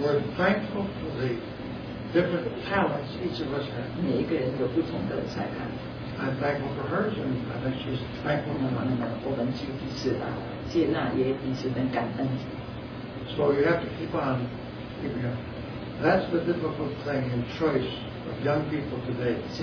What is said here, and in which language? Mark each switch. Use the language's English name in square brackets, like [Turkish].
[English] We're thankful for the different talents each of us have. [Chinese] 每一个人有不同的才干。 [English] I'm thankful for hers, and I think she's thankful for mine. [Chinese] 我们就彼此接纳，也彼此能感恩。 [English] So you have to keep on keeping up. That's the difficult thing in choice of young people today.